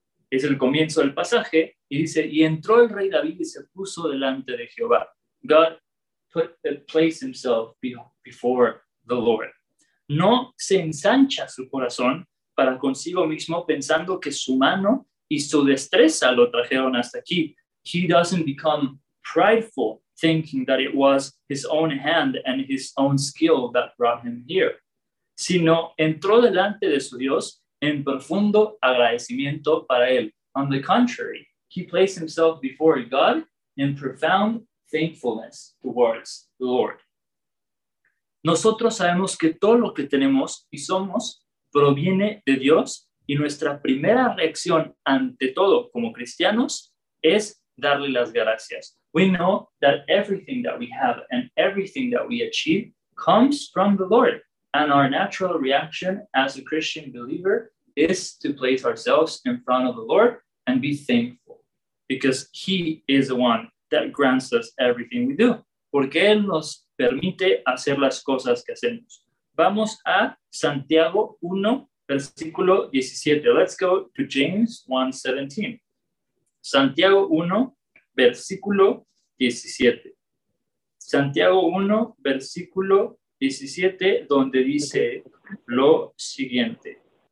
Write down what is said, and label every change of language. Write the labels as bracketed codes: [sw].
[es] Es el comienzo del pasaje y dice, y entró el rey David y se puso delante de Jehová. [en] God placed himself before the Lord. [es] No se ensancha su corazón para consigo mismo pensando que su mano y su destreza lo trajeron hasta aquí. [en] He doesn't become prideful thinking that it was his own hand and his own skill that brought him here, [es] sino entró delante de su Dios en profundo agradecimiento para él. [en] On the contrary, he placed himself before God in profound thankfulness towards the Lord. [es] Nosotros sabemos que todo lo que tenemos y somos proviene de Dios, y nuestra primera reacción ante todo como cristianos es darle las gracias. [en] We know that everything that we have and everything that we achieve comes from the Lord. And our natural reaction as a Christian believer is to place ourselves in front of the Lord and be thankful, because he is the one that grants us everything we do. [es] Porque él nos permite hacer las cosas que hacemos. Vamos a Santiago 1, versículo 17. [en] Let's go to James 1, 17. [es] Santiago 1, versículo 17. Santiago 1, versículo 17, donde dice lo siguiente.